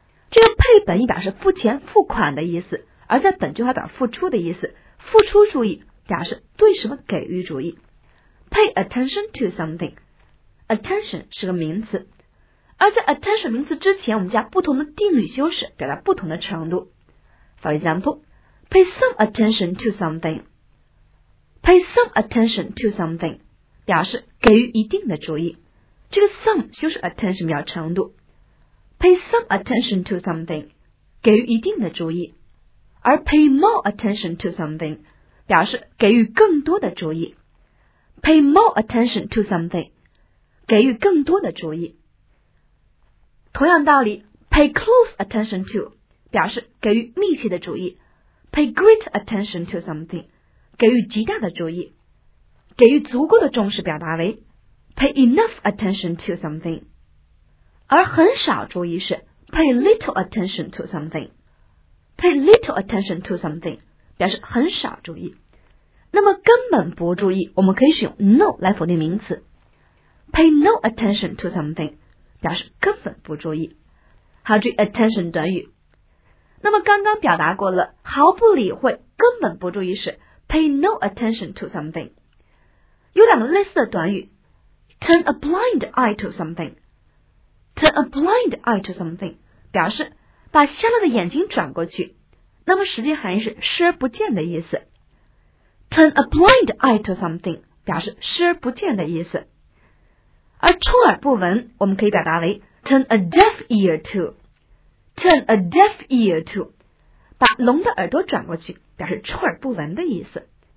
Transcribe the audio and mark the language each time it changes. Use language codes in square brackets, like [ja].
[zh] 这个 pay 本意表示付钱、付款的意思，而在本句话表付出的意思，付出注意表示对什么给予注意。 [en] Pay attention to something。 [zh] Attention 是个名词，而在 attention 名词之前，我们加不同的定语修饰，表达不同的程度。 [en] For example, pay some attention to something. Pay some attention to something [zh] 表示给予一定的注意。这个 some 修饰 attention 表达程度。 [en] Pay some attention to something [zh] 给予一定的注意，而 [en] pay more attention to something [zh] 表示给予更多的注意。 [en] Pay more attention to something. [zh] 给予更多的注意。同样道理 , [en] pay close attention to, [zh] 表示给予密切的注意。 [en] pay great attention to something, [zh] 给予极大的注意。给予足够的重视表达为 , [en] pay enough attention to something。 [zh] 而很少注意是 [en] ,pay little attention to something。 pay little attention to something, [zh] 表示很少注意。那么根本不注意我们可以使用 no 来否定名词。 [en] Pay no attention to something [zh] 表示根本不注意。好，注意 attention 短语。那么刚刚表达过了毫不理会根本不注意是 [en] Pay no attention to something。 [zh] 有两个类似的短语 [en] Turn a blind eye to something。 Turn a blind eye to something [zh] 表示把瞎了的眼睛转过去，那么实际含义是视而不见的意思。 [en] Turn a blind eye to something [zh] 表示视而不见的意思。而充耳不闻我们可以表达为 [en] turn a deaf ear to, [zh] turn a deaf ear to, 把聋的耳朵转过去表示充耳不闻的意思。